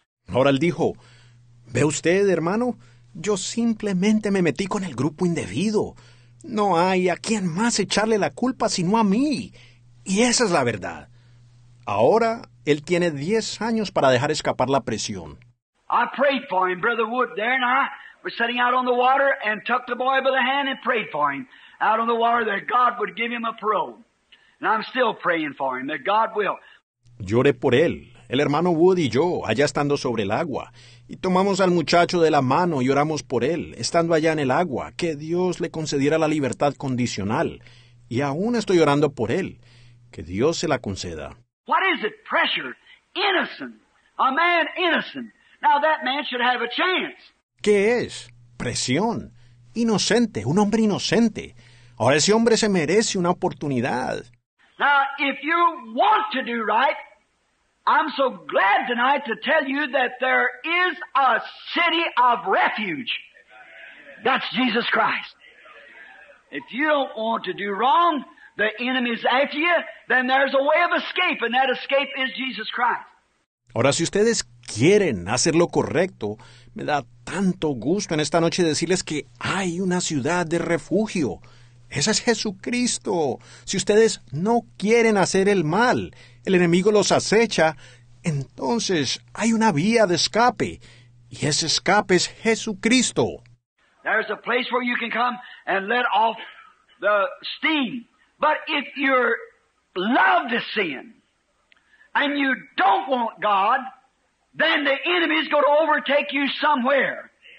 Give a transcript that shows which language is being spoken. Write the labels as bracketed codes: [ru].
[es] Ahora él dijo, ¿ve usted, hermano? Yo simplemente me metí con el grupo indebido. No hay a quien más echarle la culpa sino a mí. Y esa es la verdad. Ahora él tiene 10 años para dejar escapar la presión. [en] I prayed for him, Brother Wood, there and I were sitting out on the water and took the boy by the hand and prayed for him out on the water that God would give him a parole. And I'm still praying for him, that God will. [es] Lloré por él, el hermano Wood y yo, allá estando sobre el agua. Y tomamos al muchacho de la mano y oramos por él, estando allá en el agua, que Dios le concediera la libertad condicional. Y aún estoy orando por él, que Dios se la conceda. [en] What is it? Pressure. Innocent. A man innocent. Now that man should have a chance. [es] ¿Qué es? Presión. Inocente. Un hombre inocente. Ahora ese hombre se merece una oportunidad. [en] Now, if you want to do right, I'm so glad tonight to tell you that there is a city of refuge. That's Jesus Christ. If you don't want to do wrong, the enemy's after you, then there's a way of escape, and that escape is Jesus Christ. [es] Ahora, si ustedes quieren hacer lo correcto, me da tanto gusto en esta noche decirles que hay una ciudad de refugio. Ese es Jesucristo. Si ustedes no quieren hacer el mal, el enemigo los acecha, entonces hay una vía de escape, y ese escape es Jesucristo. [en] There's a place where you can come and let off the steam. But if you love the sin and you don't want God, then the enemy is going to overtake you somewhere.